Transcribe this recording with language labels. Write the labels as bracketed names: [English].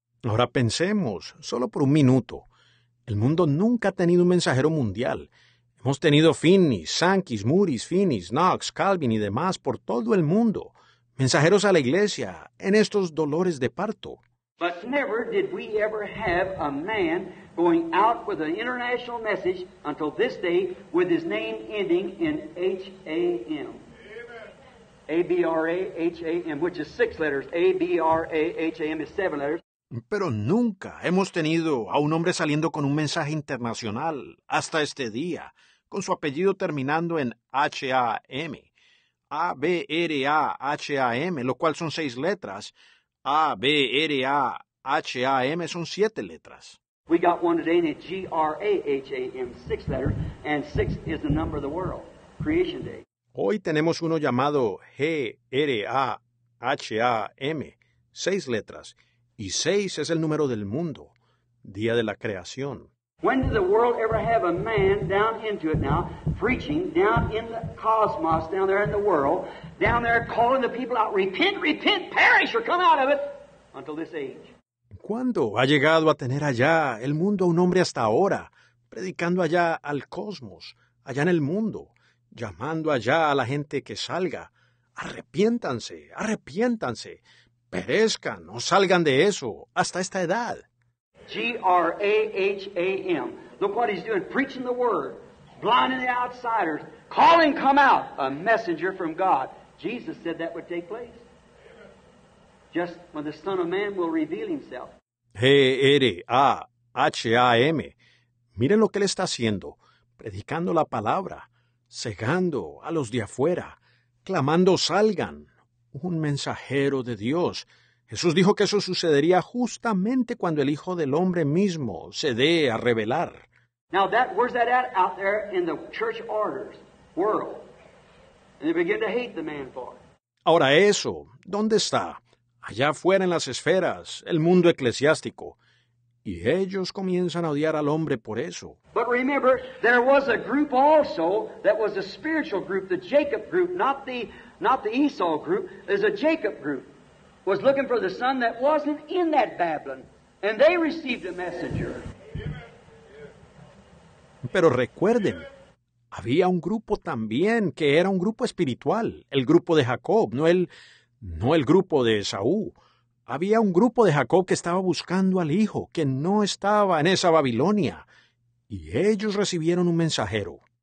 [Spanish] Ahora pensemos, solo por un minuto, el mundo nunca ha tenido un mensajero mundial. Hemos tenido Finney, Sankey, Moody, Finney, Knox, Calvin y demás por todo el mundo, mensajeros a la iglesia en estos dolores de parto. [English] But never did we ever have a man going out with an international message until this day with his name ending in H-A-M. A-B-R-A-H-A-M, which is six letters. A-B-R-A-H-A-M is seven letters. [Spanish] Pero nunca hemos tenido a un hombre saliendo con un mensaje internacional hasta este día, con su apellido terminando en H-A-M. A-B-R-A-H-A-M, lo cual son seis letras. A-B-R-A-H-A-M son siete letras. [English] We got one today named G-R-A-H-A-M, six letters, and six is the number of the world, creation day. [Spanish] Hoy tenemos uno llamado G-R-A-H-A-M, seis letras, y seis es el número del mundo, día de la creación. [English] When did the world ever have a man down into it now, preaching down in the cosmos, down there in the world, down there calling the people out, repent, repent, perish, or come out of it, until this age? [Spanish] ¿Cuándo ha llegado a tener allá el mundo a un hombre hasta ahora, predicando allá al cosmos, allá en el mundo, llamando allá a la gente que salga, arrepiéntanse, arrepiéntanse, perezcan o salgan de eso, hasta esta edad? [English] G-R-A-H-A-M. Look what he's doing, preaching the word, blinding the outsiders, calling, come out, a messenger from God. Jesus said that would take place. Just when the Son of Man will reveal himself. G-R-A-H-A-M. [Spanish] Miren lo que él está haciendo, predicando la palabra, cegando a los de afuera, clamando salgan, un mensajero de Dios. Jesús dijo que eso sucedería justamente cuando el Hijo del Hombre mismo se dé a revelar. [English] Now, where's that at out there in the church orders, world? And they begin to hate the man for it. [Spanish] Ahora eso, ¿dónde está? Allá afuera en las esferas, el mundo eclesiástico. Y ellos comienzan a odiar al hombre por eso. [English] But remember, there was a group also that was a spiritual group, the Jacob group, not the Esau group. There's a Jacob group. Was looking for the son that wasn't in that Babylon, and they received a messenger. [Spanish] Pero recuerden, había un grupo también que era un grupo espiritual, el grupo de Jacob, no el grupo de Esaú. Había un grupo de Jacob que estaba buscando al hijo, que no estaba en esa Babilonia, y ellos recibieron un mensajero.